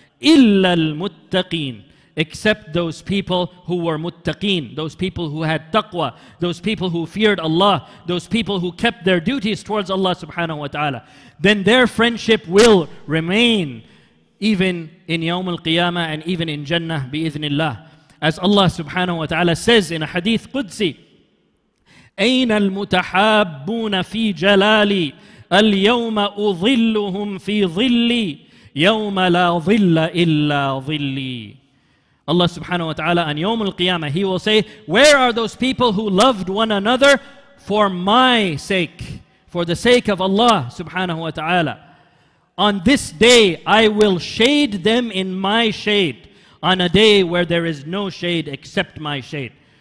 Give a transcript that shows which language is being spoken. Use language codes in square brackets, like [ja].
[ar] Illa al-muttaqeen. [en] Except those people who were muttaqeen, those people who had taqwa, those people who feared Allah, those people who kept their duties towards Allah subhanahu wa ta'ala. Then their friendship will remain even in Yawm al-Qiyamah and even in Jannah bi-ithnillah. [ar] As Allah subhanahu wa ta'ala says in a hadith Qudsi, أَيْنَ الْمُتَحَابُّونَ فِي جَلَالِي الْيَوْمَ أُظِلُّهُمْ فِي ظِلِّي يَوْمَ لَا ظِلَّ إِلَّا ظِلِّي. [en] Allah subhanahu wa ta'ala on Yawm al-Qiyamah, He will say, where are those people who loved one another for my sake, for the sake of Allah subhanahu wa ta'ala? On this day, I will shade them in my shade, on a day where there is no shade except my shade.